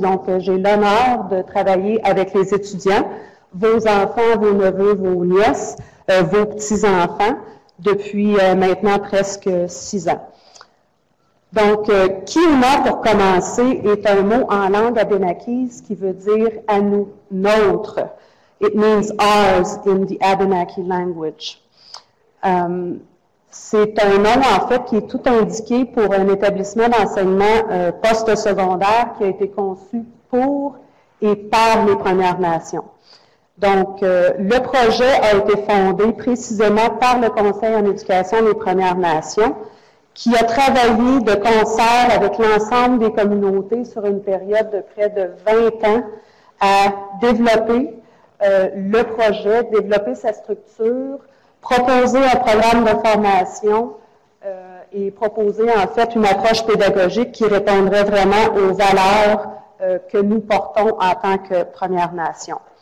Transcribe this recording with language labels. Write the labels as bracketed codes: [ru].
[fr] Donc, j'ai l'honneur de travailler avec les étudiants, vos enfants, vos neveux, vos nièces, vos petits-enfants, depuis maintenant presque 6 ans. Donc, QUNA, pour commencer, est un mot en langue abénakise qui veut dire « à nous, notre ». [en] It means ours in the Abenaki language. [fr] C'est un nom, en fait, qui est tout indiqué pour un établissement d'enseignement post-secondaire qui a été conçu pour et par les Premières Nations. Donc, le projet a été fondé précisément par le Conseil en éducation des Premières Nations, qui a travaillé de concert avec l'ensemble des communautés sur une période de près de 20 ans à développer le projet, développer sa structure, proposer un programme de formation et proposer en fait une approche pédagogique qui répondrait vraiment aux valeurs que nous portons en tant que Première Nation.